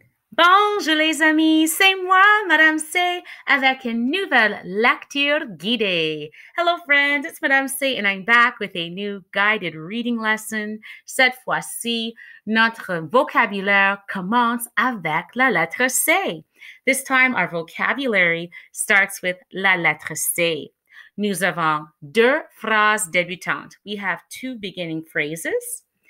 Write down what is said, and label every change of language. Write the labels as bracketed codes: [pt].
[fr] Bonjour les amis, c'est moi, Madame C, avec une nouvelle lecture guidée. [en] Hello friends, it's Madame C and I'm back with a new guided reading lesson. [fr] Cette fois-ci, notre vocabulaire commence avec la lettre C. [en] This time, our vocabulary starts with [fr] la lettre C. Nous avons deux phrases débutantes. [en] We have two beginning phrases.